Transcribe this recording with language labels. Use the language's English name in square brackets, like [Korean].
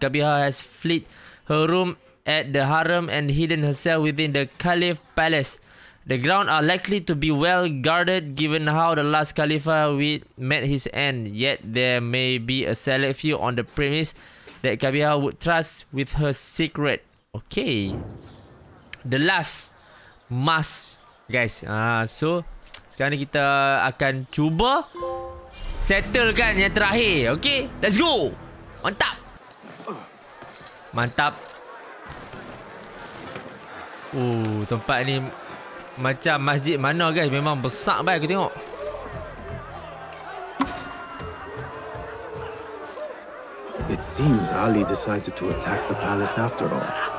[English] Qabiha has fled her room at the harem and hidden herself within the caliph palace. The ground are likely to be well guarded given how the last Khalifa met his end. Yet there may be a select few on the premise that Qabiha would trust with her secret. Okay. The last mask, guys. [Malay] So sekarang ni kita akan cuba settlekan yang terakhir. [English] Okay, let's go. Mantap. Mantap. [Malay] Tempat ni macam masjid mana, guys. Memang besar baik aku tengok. [English] It seems Ali decided to attack the palace after all.